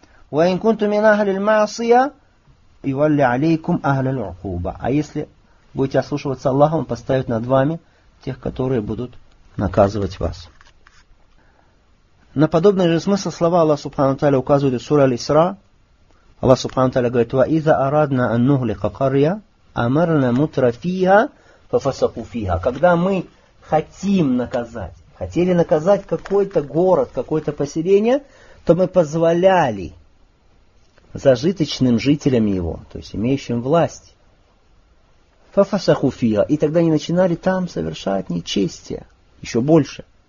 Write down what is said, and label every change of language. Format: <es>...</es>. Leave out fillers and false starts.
<ar>وَإِن كُنْتُ مِنْ أَهْلِ الْمَعْصِيَةِ يُوَلِّ عَلَيْكُمْ أَهْلَ الْعُقُوبَةِ.</ar> <ru>А если будете ослушиваться Аллаха, Он поставит над вами тех, которые будут наказывать вас. На подобный же смысл слова Аллах Субхану Тааля указывает в суре Аль-Исра. Аллах Субхану Тааля говорит:</ru> <ar>وَإِذَا أَرَادْنَا أَنْ نُهْلِكَ قَرْيَةً أَمَرْنَا مُتْرَفِيهَا فَفَسَقُوا فِيهَا.</ar> <ru>Когда мы хотим наказать, хотели наказать какой-то город, какое-то поселение, то мы позволяли зажиточным жителям его, то есть имеющим власть,</ru> <ar>فَفَسَقُوا فِيهَا,</ar> <ru>и тогда они начинали там совершать нечестие еще больше.</ru>